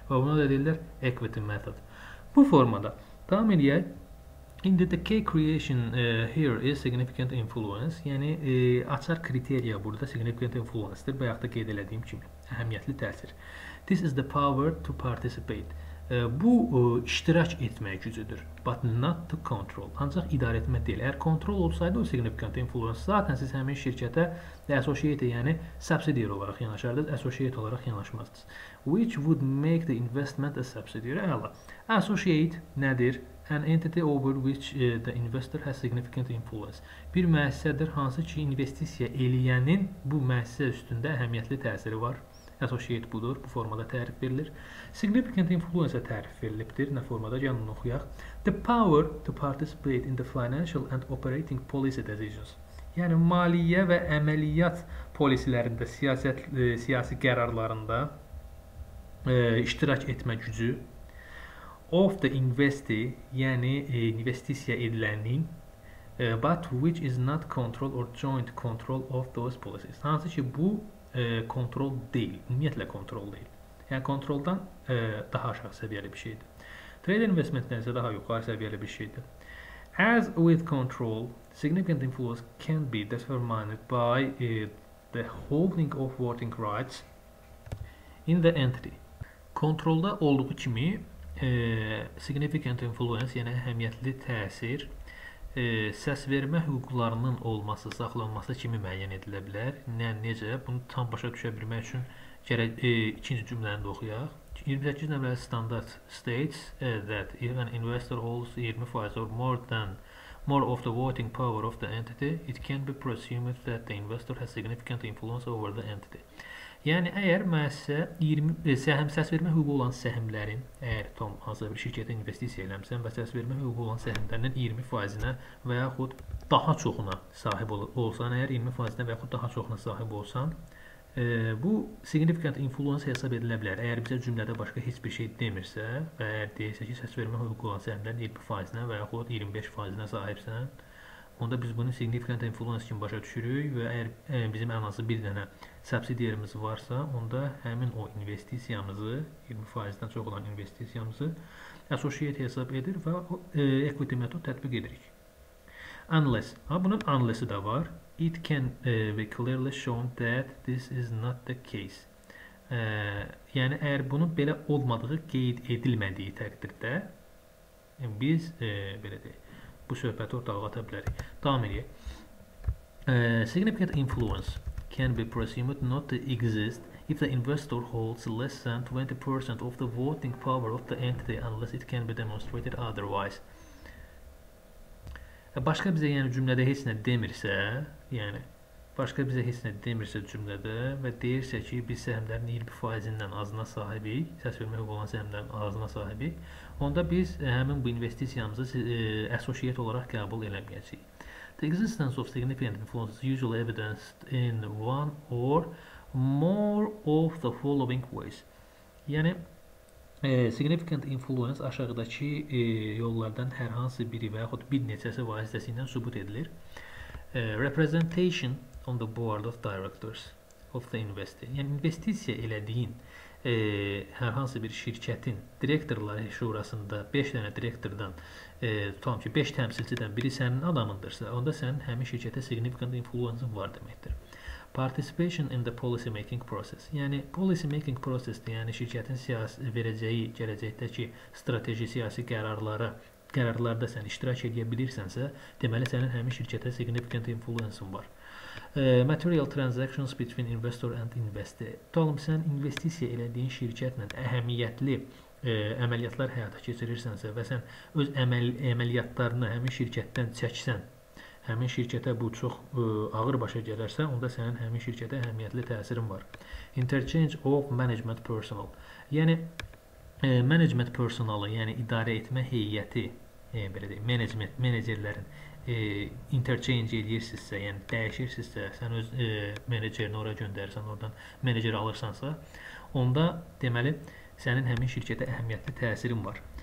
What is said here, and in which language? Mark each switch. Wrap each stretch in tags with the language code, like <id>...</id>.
<az>Və buna da deyirlər, equity method. Bu formada, tam eləyək, indi</az> <en>the key creation here is significant influence,</en> <az>yəni açar kriteriya burada significant influence-dir, bayaq da qeyd elədiyim kimi, əhəmiyyətli təsir.</az> <en>This is the power to participate.</en> <az>Bu, iştirak etmək gücüdür,</az> <en>but not to control,</en> <az>ancaq idarə etmək deyil. Əgər kontrol olsaydı, o significant influence, zaten siz həmin şirkətə associate, yəni subsidiary olaraq yanaşardınız, associate olaraq yanaşmazdınız.</az> <en>Which would make the investment a subsidiary?</en> <az>Əla, associate nədir?</az> <en>An entity over which the investor has significant influence.</en> <az>Bir müəssisədir, hansı ki, investisiya eləyənin bu müəssisə üstündə əhəmiyyətli təsiri var. Associate budur, bu formada tərif verilir. Significant influence tərif verilibdir. Nə formada? Yanını oxuyaq.</az> <en>The power to participate in the financial and operating policy decisions.</en> <az>Yəni, maliyyə və əməliyyat polisilərində, siyasi qərarlarında iştirak etmə gücü.</az> <en>Of the investi,</en> <az>yəni investisiya edilənin.</az> <en>But which is not control or joint control of those policies.</en> <az>Hansı ki, bu kontrol deyil, ümumiyyətlə kontrol deyil. Yəni, kontroldan daha aşağı səviyyəli bir şeydir. Trade investmentdən isə daha yuxarı səviyyəli bir şeydir.</az> <en>As with control, significant influence can be determined by the holding of voting rights in the entity.</en> <az>Kontrolda olduğu kimi significant influence, yəni əhəmiyyətli təsir Səs vermə hüquqlarının olması, saxlanması kimi müəyyən edilə bilər? Nə, necə? Bunu tam başa düşə bilmək üçün gərək ikinci cümləni də oxuyaq. 28 nömrəli standart</az> <en>states that if an investor holds 20% or more of the voting power of the entity, it can be presumed that the investor has significant influence over the entity.</en> <az>Yəni əgər müəssisə 20 səhm səs vermə hüququ olan səhmlərin, əgər tam hazır bir şirkətə investisiya eləmsən və səs vermə hüququ olan səhmlərinin 20%-nə və yaxud daha çoxuna sahib olsan, əgər 20%-nə və yaxud daha çoxuna sahib olsan, bu significant influence hesab edilə bilər. Əgər bizə cümlədə başqa heç bir şey demirsə və əgər deyirsə ki, səs vermə hüququ olan səhmlərin 20%-nə və yaxud 25%-nə sahibsən, onda biz bunu significant influence kimi başa düşürük və əgər bizim ən azı bir dənə subsidiyamız varsa, onda həmin o investisiyamızı, 20%-dən çox olan investisiyamızı associate hesab edir və equity metod tətbiq edirik. Unless, ha bunun unless-ı da var.</az> <en>It can be clearly shown that this is not the case.</en> <az>Yəni əgər bunun belə olmadığı qeyd edilmədiyi təqdirdə biz belə deyək, bu söhbəti ortaya qata bilərik. Davam edək.</az> <en>Significant influence can be presumed not to exist if the investor holds less than 20% of the voting power of the entity unless it can be demonstrated otherwise.</en> <az>Başqa bizə yəni cümlədə heç nə demirsə, yəni başqa bizə heç nə demirsə cümlədə və deyirsə ki, biz səhmlərin 20%-dən azına sahibik, səs vermək hüququ olan səhmlərin azına sahibik, onda biz həmin bu investisiyamızı associate olaraq qəbul eləməyəcəyik.</az> <en>The existence of significant influence is usually evidenced in one or more of the following ways.</en> <az>Yəni, significant influence aşağıdakı yollardan hər hansı biri və yaxud bir neçəsi vasitəsilə sübut edilir.</az> <en>Representation on the board of directors of the investor.</en> <az>Yəni, investisiya elədiyin hər hansı bir şirkətin direktorları şurasında 5 dənə direktordan tutam ki, 5 təmsilçidən biri sənin adamındırsa, onda sənin həmin şirkətə significant influence var deməkdir.</az> <en>Participation in the policy making process.</en> <az>Yəni, policy making process-də, yəni şirkətin siyasi verəcəyi gələcəkdəki strateji siyasi qərarlara qərarlarda sən iştirak edə bilirsənsə, deməli sənin həmin şirkətə significant influence-ın var.</az> <en>Material transactions between investor and investee.</en> <az>Tutalım, sən investisiya elədiyin şirkətlə əhəmiyyətli əməliyyatlar həyata keçirirsənsə və sən öz əməliyyatlarını həmin şirkətdən çəksən, həmin şirkətə bu çox ağır başa gələrsə, onda sənin həmin şirkətə əhəmiyyətli təsirin var.</az> <en>Interchange of management personnel.</en> <az>Yəni, management personnelı, yəni idarə etmə heyəti, belə deyək, management, menedjerlərin interchange edirsinizsə, yəni dəyişirsinizsə, sən öz menedjerini oraya göndərirsən, oradan menedjer alırsansa, onda deməli, sənin həmin şirkətə əhəmiyyətli təsirin var.</az>